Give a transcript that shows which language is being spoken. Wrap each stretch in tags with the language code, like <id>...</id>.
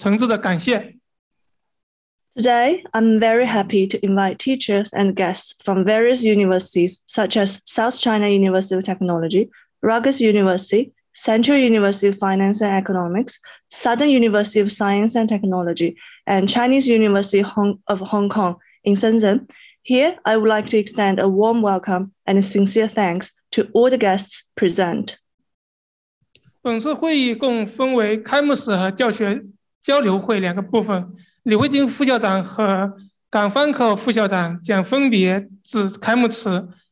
<zh>今天非常高兴邀请到来自华南理工大学、罗格斯大学、中央财经大学、南方科技大学、香港中文大学深圳等各个高校的老师嘉宾参会。在此，我谨向出席的各位嘉宾致以热烈的欢迎和诚挚的感谢。Today,</zh> <en>I'm very happy to invite teachers and guests from various universities such as South China University of Technology, Rutgers University, Central University of Finance and Economics, Southern University of Science and Technology, and Chinese University of Hong Kong in Shenzhen. Here, I would like to extend a warm welcome and a sincere thanks to all the guests present.</en> <zh>本次会议共分为开幕式和教学交流会两个部分，李慧晶副校长和港方科副校长将分别致开幕词。</zh>